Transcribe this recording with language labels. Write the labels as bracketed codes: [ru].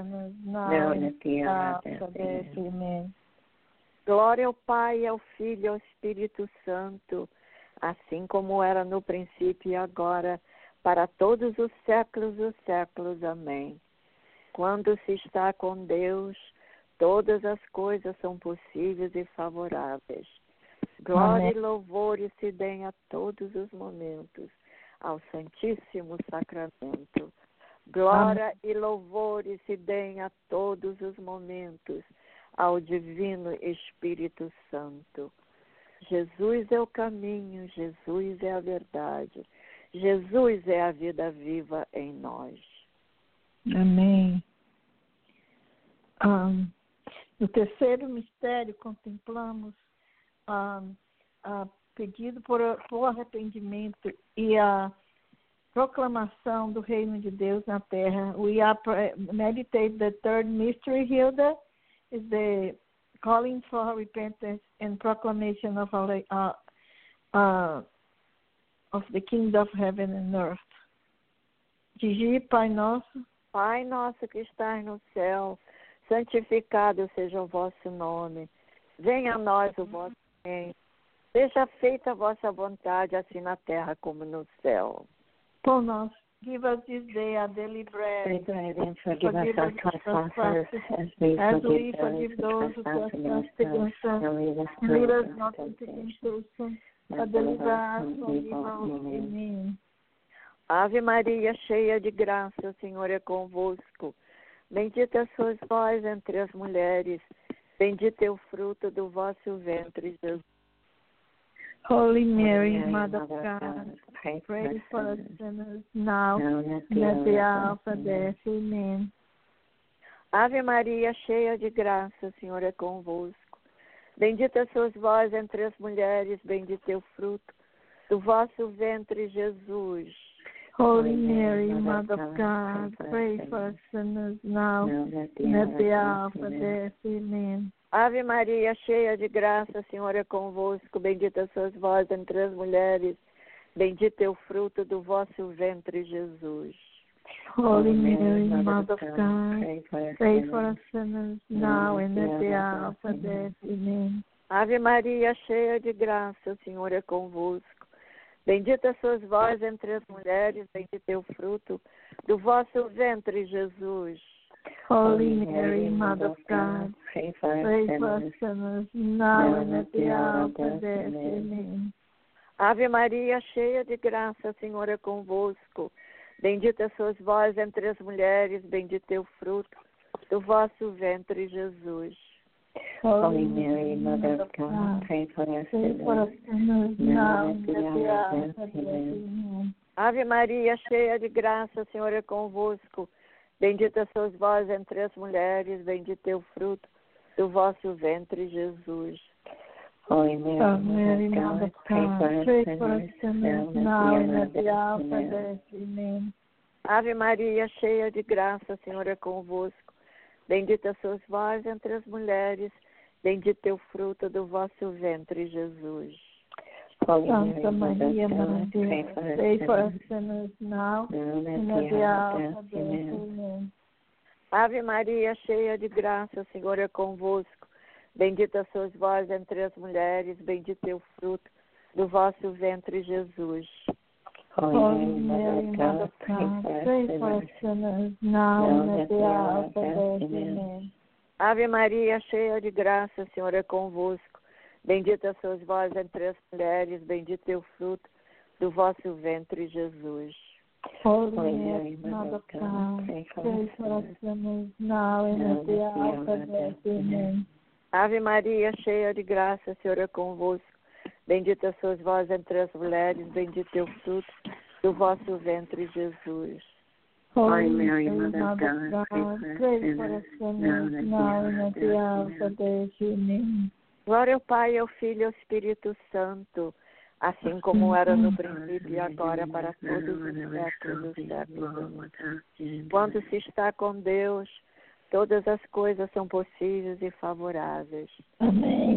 [en] Santa Maria, Mother of God, pray for us sinners now and at the hour of death. Amen. [pt] Glória ao Pai, ao Filho e ao Espírito Santo, assim como era no princípio e agora, para todos os séculos, amém. Quando se está com Deus, todas as coisas são possíveis e favoráveis. Glória e louvores se deem a todos os momentos ao Santíssimo Sacramento. Glória e louvores se deem a todos os momentos ao Divino Espírito Santo. Jesus é o caminho, Jesus é a verdade, Jesus é a vida viva em nós. Amém. No terceiro mistério, contemplamos a pedido por arrependimento e a proclamação do reino de Deus na terra. [en] We are meditate the third mystery, Hilda, is the calling for repentance and proclamation of the kingdom of heaven and earth. [pt] Gigi, Pai nosso. Pai nosso que estás no céu, santificado seja o vosso nome. Venha a nós o vosso reino. Seja feita a vossa vontade, assim na terra como no céu. [en] For us, give us this day our daily bread. Forgive us our trespasses, as we forgive those who trespass against us. And lead us not into temptation, but deliver us from evil. Amen. [pt] Ave Maria, cheia de graça, o Senhor é convosco. Bendita sois vós entre as mulheres, bendito é o fruto do vosso ventre, Jesus. [en] Holy Mary, Mother of God, pray for us sinners now and at the hour of our death. Amen. [pt] Ave Maria, cheia de graça, o Senhor é convosco. Bendita sois vós entre as mulheres, bendito é o fruto do vosso ventre, Jesus. [en] Holy Mary, Mother of God, pray for us sinners now and at the hour of our death. Amen. [pt] Ave Maria, cheia de graça, o Senhor é convosco. Bendita sois vós entre as mulheres. Bendito é o fruto do vosso ventre, Jesus. [en] Holy Mary, Mother of God, pray for us sinners now and at the hour of our death. Amen. [pt] Ave Maria, cheia de graça, o Senhor é convosco. Bendita sois vós entre as mulheres. Bendito é o fruto do vosso ventre, Jesus. [en] Holy Mary, Mother of God, pray for us sinners now and at the hour of our death. Amen. [pt] Ave Maria, cheia de graça, o Senhor é convosco. Bendita sois vós entre as mulheres, bendito é o fruto do vosso ventre, Jesus. [en] Holy Mary, Mother of God, pray for us sinners now and at the hour of our death. [pt] Ave Maria, cheia de graça, o Senhor é convosco. Bendita sois vós entre as mulheres, bendito é o fruto do vosso ventre, Jesus. [en] Holy Mary, Mother of God, pray for us sinners now and at the hour of our death. Amen. [pt] Ave Maria, cheia de graça, o Senhor é convosco. Bendita sois vós entre as mulheres, bendito é o fruto do vosso ventre, Jesus. Santa Maria, Mãe de Deus, [en] pray for us sinners now and at the hour of our death. Amen. [pt] Ave Maria, cheia de graça, o Senhor é convosco. Bendita sois vós entre as mulheres, bendito é o fruto do vosso ventre, Jesus. [en] Holy Mary, Mother of God, pray for us sinners now and at the hour of our death. Amen. [pt] Ave Maria, cheia de graça, o Senhor é convosco. Bendita sois vós entre as mulheres, bendito é o fruto do vosso ventre, Jesus. [en] Holy Mary, Mother of God, pray for us sinners now and at the hour of our death. Amen. [pt] Ave Maria, cheia de graça, o Senhor é convosco. Bendita sois vós entre as mulheres, bendito é o fruto do vosso ventre, Jesus. [en] Holy Mary, Mother of God, pray for us sinners now and at the hour of our death. Amen. [pt] Glória ao Pai, ao Filho e ao Espírito Santo, assim como era no princípio e agora para todos os séculos dos séculos. Quando se está com Deus, todas as coisas são possíveis e favoráveis. Amém.